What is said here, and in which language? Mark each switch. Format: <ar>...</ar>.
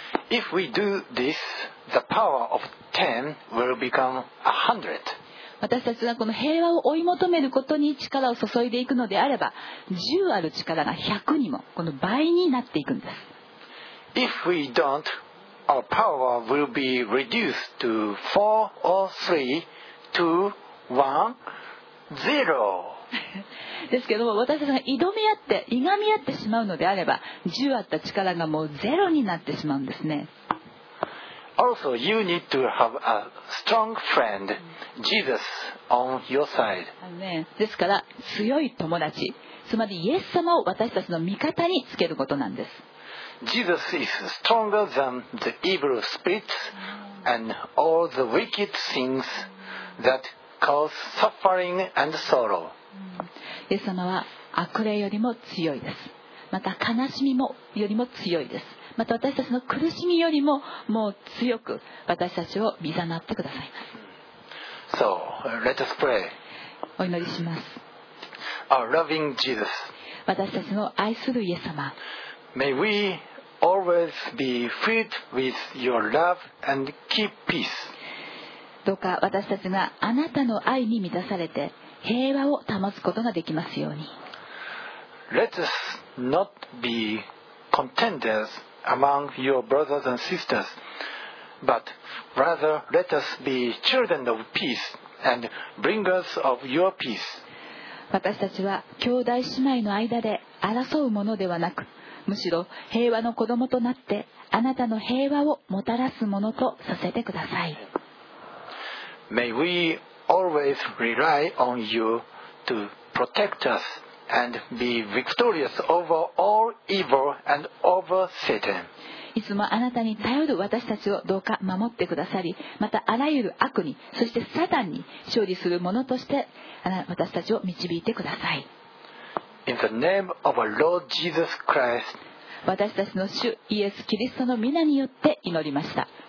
<en>If we do this, the power of 10 will become 100.</en> <ja>私たちがこの平和を追い求めることに力を注いでいくのであれば、10ある力が100にも、この倍になっていくんです。</ja> <en>If we don't, our power will be reduced to 4 or 3, 2, 1, 0.</en> <ja>ですけども、私たちが挑み合って、いがみ合ってしまうのであれば、10あった力がもうゼロになってしまうんですね。</ja> <en>Also, you need to have a strong friend, Jesus, on your side. Amen.</en> <ja>ですから、強い友達、つまりイエス様を私たちの味方につけることなんです。</ja> <en>Jesus is stronger than the evil spirits and all the wicked things that cause suffering and sorrow.</en> <ja>イエス様は悪霊よりも強いです。また悲しみもよりも強いです。また私たちの苦しみよりももう強く私たちを誘ってくださいます。</ja> <en>So, let us pray.</en> <ja>お祈りします。</ja> <en>Our loving Jesus,</en> <ja>私たちの愛するイエス様、</ja> <en>May we always be filled with your love and keep peace.</en> <ja>どうか私たちがあなたの愛に満たされて平和を保つことができますように。</ja> <en>Let us not be contenders among your brothers and sisters, but rather let us be children of peace and bringers of your peace.</en> <ja>私たちは兄弟姉妹の間で争うものではなく、むしろ平和の子供となってあなたの平和をもたらすものとさせてください。</ja> <en>May weAlways rely on you to protect us and be victorious over all evil and over Satan.</en> <ja>いつもあなたに頼る私たちをどうか守ってくださり、またあらゆる悪に、そしてサタンに勝利するものとして私たちを導いてください。</ja> <en>In the name of our Lord Jesus Christ,</en> <ja>私たちの主イエス・キリストの御名によって祈りました。</ja>